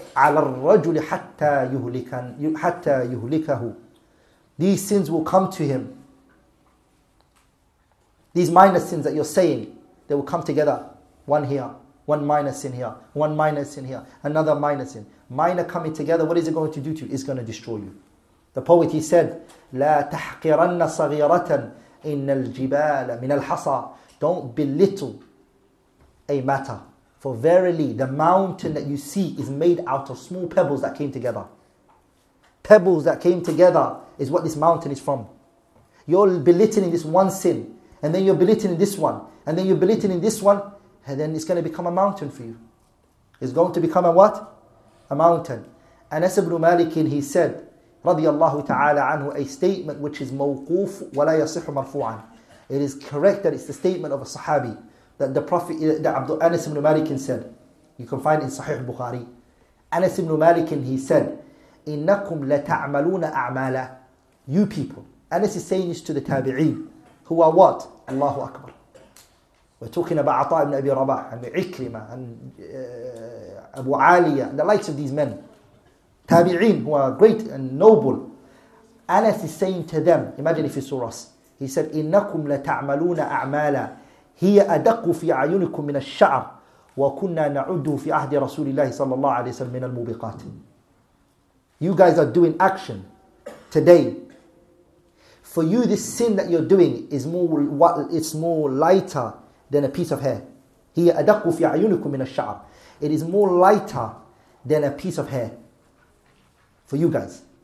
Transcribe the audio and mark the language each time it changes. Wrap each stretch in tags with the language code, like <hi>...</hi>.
<ar>عَلَى الرَّجُلِ حَتَّى يُهْلِكَهُ.</ar> <en>These sins will come to him. These minor sins that you're saying, they will come together. One here, one minor sin here, one minor sin here, another minor sin. Minor coming together, what is it going to do to you? It's going to destroy you. The poet, he said,</en> <ar>لَا تَحْقِرَنَّ صَغِيرَةً إِنَّ الْجِبَالَ مِنَ الْحَصَى.</ar> <en>Don't belittle a matter. For verily, the mountain that you see is made out of small pebbles that came together. Pebbles that came together is what this mountain is from. You're belittling this one sin, and then you're belittling this one, and then you're belittling this one, and then it's going to become a mountain for you. It's going to become a what? A mountain. Anas ibn Malik, he said, رضي الله تعالى عنه, a statement which is</en> <ar>موقوف ولا يصح مرفوعا.</ar> <en>It is correct that it's the statement of a Sahabi. That the Prophet, that Abdul Anas ibn Malik said, you can find it in Sahih Bukhari. Anas ibn Malik, he said,</en> <ar>إِنَّكُمْ لَتَعْمَلُونَ أَعْمَالًا.</ar> <en>You people. Anas is saying this to the Tabi'een. Who are what? Allahu Akbar. We're talking about Ata ibn Abi Rabah and Ikrima and Abu Aliya, the likes of these men, Tabi'in, who are great and noble. Anas is saying to them, imagine if he saw us, he said,</en> <ar>إِنَّكُمْ لَتَعْمَلُونَ أَعْمَالًا هِيَ أَدَقُّ فِي أَعْيُنِكُمْ مِنَ الشَّعْرِ وَكُنَّا نَعُدُّهُ فِي أَهْدِ رَسُولِ اللَّهِ صَلَّى اللَّهُ عَلَيْهِ وَسَلَّمَ مِنَ الْمُوبِقَاتِ.</ar> <en>You guys are doing action today. For you, this sin that you're doing is more lighter than a piece of hair.</en> <ar>هِيَ أَدَقُّ فِي أَعْيُنِكُمْ مِنَ الشَّعْرِ.</ar> <en>It is more lighter than a piece of hair for you guys.</en>